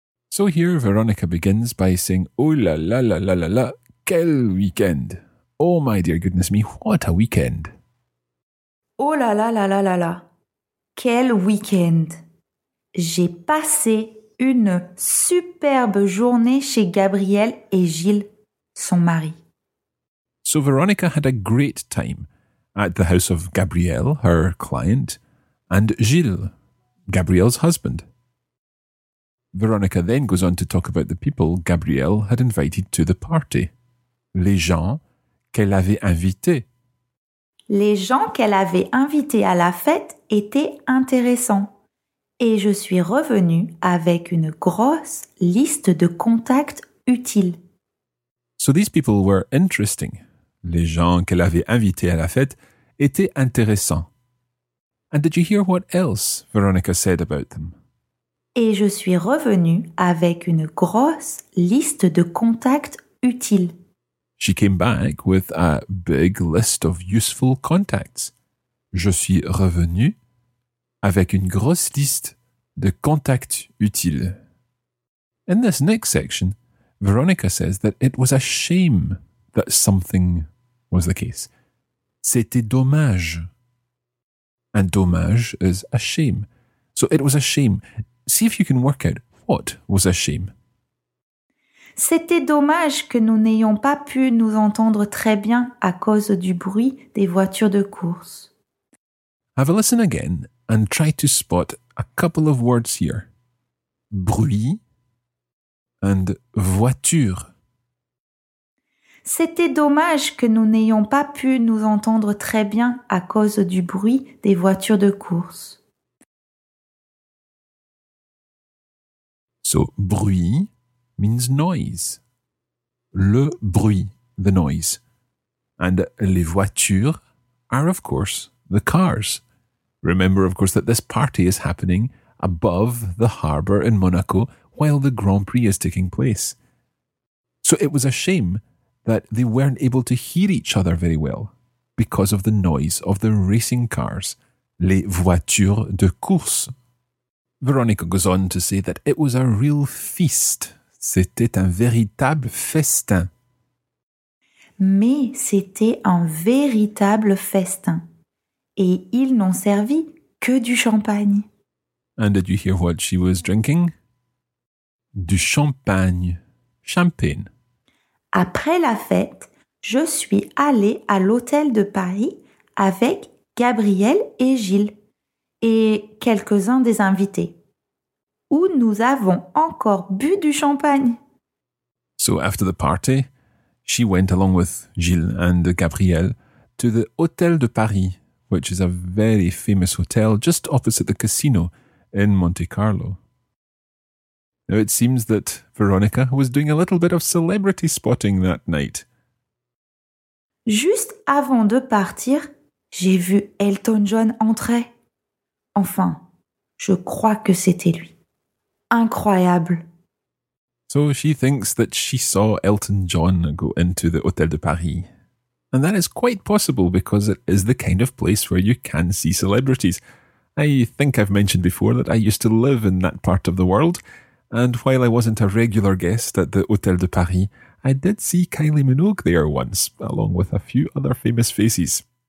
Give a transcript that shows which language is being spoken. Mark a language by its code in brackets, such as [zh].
[en] So here Veronica begins by saying, [fr] oh la la la la la la, quel weekend! [en] Oh my dear goodness me, what a weekend! [fr] Oh la la la la la la! Quel week-end! J'ai passé une superbe journée chez Gabriel et Gilles, son mari. [en] So Veronica had a great time at the house of Gabriel, her client, and Gilles, Gabriel's husband. Veronica then goes on to talk about the people Gabriel had invited to the party. [fr] Les gens qu'elle avait invités. Les gens qu'elle avait invités à la fête étaient intéressants. Et je suis revenue avec une grosse liste de contacts utiles. [en] So these people were interesting. [fr] Les gens qu'elle avait invités à la fête étaient intéressants. [en] And did you hear what else Veronica said about them? [fr] Et je suis revenue avec une grosse liste de contacts utiles. [en] She came back with a big list of useful contacts. [fr] Je suis revenue avec une grosse liste de contacts utiles. [en] In this next section, Veronica says that it was a shame that something was the case. [fr] C'était dommage. [en] And dommage is a shame. So it was a shame. See if you can work out what was a shame. [fr] C'était dommage que nous n'ayons pas pu nous entendre très bien à cause du bruit des voitures de course. [en] Have a listen again and try to spot a couple of words here. Bruit and voiture. [fr] C'était dommage que nous n'ayons pas pu nous entendre très bien à cause du bruit des voitures de course. [en] So, bruit means noise. [fr] Le bruit, [en] the noise. And les voitures are, of course, the cars. Remember, of course, that this party is happening above the harbour in Monaco while the Grand Prix is taking place. So it was a shame that they weren't able to hear each other very well because of the noise of the racing cars, [fr] les voitures de course. [en] Veronica goes on to say that it was a real feast. [fr] C'était un véritable festin. Mais c'était un véritable festin. Et ils n'ont servi que du champagne. [en] And did you hear what she was drinking? [fr] Du champagne. Champagne. Après la fête, je suis allée à l'hôtel de Paris avec Gabriel et Gilles et quelques-uns des invités. Où nous avons encore bu du champagne. [en] So after the party, she went along with Gilles and Gabriel to the Hôtel de Paris, which is a very famous hotel just opposite the casino in Monte Carlo. Now it seems that Veronica was doing a little bit of celebrity spotting that night. [fr] Juste avant de partir, j'ai vu Elton John entrer. Enfin, je crois que c'était lui. Incroyable. [en] So she thinks that she saw Elton John go into the Hôtel de Paris. And that is quite possible because it is the kind of place where you can see celebrities. I think I've mentioned before that I used to live in that part of the world. And while I wasn't a regular guest at the Hôtel de Paris, I did see Kylie Minogue there once, along with a few other famous faces.